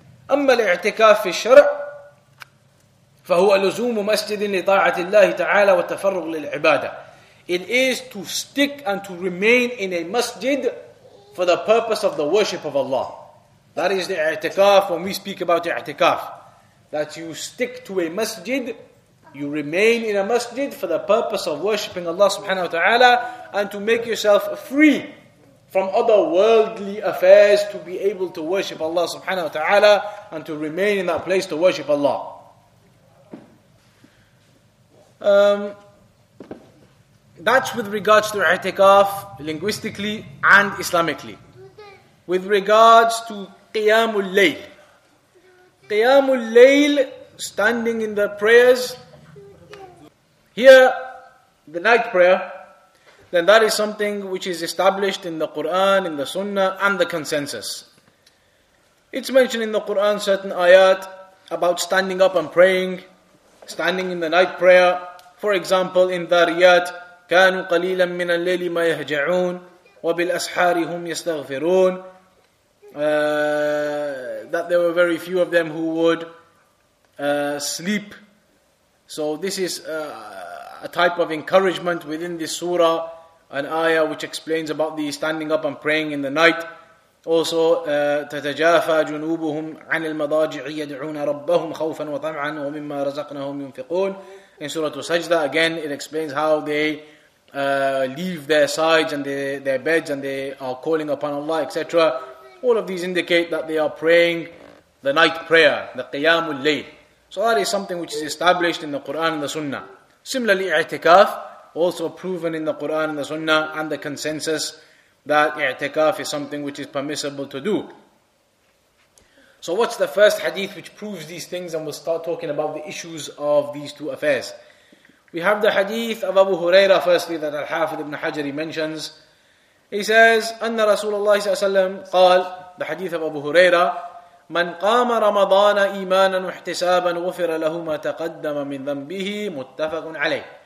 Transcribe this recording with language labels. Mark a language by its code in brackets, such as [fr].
[ar] أما الاعتكاف في الشرع فهو لزوم مسجد لطاعة الله تعالى والتفرغ للعبادة. [en] It is to stick and to remain in a masjid for the purpose of the worship of Allah. That is the i'tikaf when we speak about i'tikaf. That you stick to a masjid, you remain in a masjid for the purpose of worshipping Allah subhanahu wa ta'ala and to make yourself free from other worldly affairs to be able to worship Allah subhanahu wa ta'ala and to remain in that place to worship Allah. That's with regards to i'tikaf, linguistically and Islamically. With regards to qiyamul layl. Qiyamul layl, standing in the prayers. Here, the night prayer. Then that is something which is established in the Qur'an, in the sunnah and the consensus. It's mentioned in the Qur'an certain ayat about standing up and praying. Standing in the night prayer. For example, in Dhariyat. [ar] كانوا قليلا من الليل ما يهجعون وبالأسحار هم يستغفرون. [en] That there were very few of them who would sleep. So this is a type of encouragement within this surah, an ayah which explains about the standing up and praying in the night. Also, [ar] تَتَجَافَى جُنُوبُهُمْ عَنِ الْمَضَاجِعِ يَدْعُونَ رَبَّهُمْ خَوْفًا وَطَمْعًا وَمِمَّا رَزَقْنَهُمْ يُنْفِقُونَ. [en] In Surah Sajda, again it explains how they leave their sides and their beds and they are calling upon Allah, etc. All of these indicate that they are praying the night prayer, the Qiyamul Layl. So that is something which is established in the Quran and the Sunnah. Similarly, i'tikaf, also proven in the Quran and the Sunnah, and the consensus that i'tikaf is something which is permissible to do. So what's the first hadith which proves these things, and we'll start talking about the issues of these two affairs. We have the hadith of Abu Hurairah, firstly, that Al-Hafidh ibn Hajar mentions. He says, [ar] أن رسول الله صلى الله عليه وسلم قال, [en] the hadith of Abu Hurairah, [ar] من قام رمضان إيمانا واحتسابا غفر له ما تقدم من ذنبه متفق عليه.